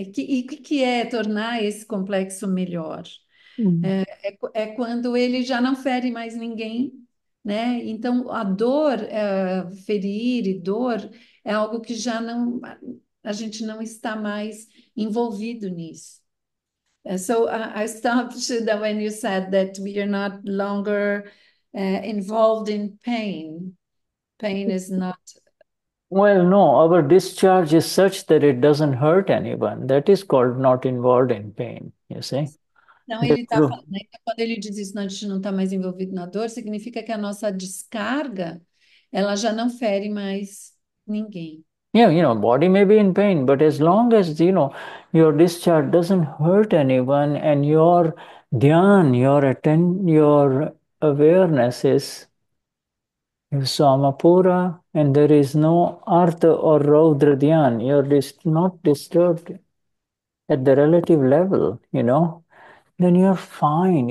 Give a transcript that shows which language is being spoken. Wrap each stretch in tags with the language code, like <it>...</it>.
<pt>E que é tornar esse complexo melhor? É quando ele já não fere mais ninguém, né? Então, a dor, ferir e dor, é algo que já não, a gente não está mais envolvido nisso.</pt> <en>So, I stopped when you said that we are not longer involved in pain. Pain is not. Well, no, our discharge is such that it doesn't hurt anyone. That is called not involved in pain, you see.</en> <pt>Então, ele está falando, né? Quando ele diz isso, a gente não está mais envolvido na dor, significa que a nossa descarga, ela já não fere mais ninguém.</pt> <en>Yeah, body may be in pain, but as long as your discharge doesn't hurt anyone and your dhyan, your awareness is Somapura, and there is no Artha or Rudra dhyan, you're not disturbed at the relative level, then you're fine.</en>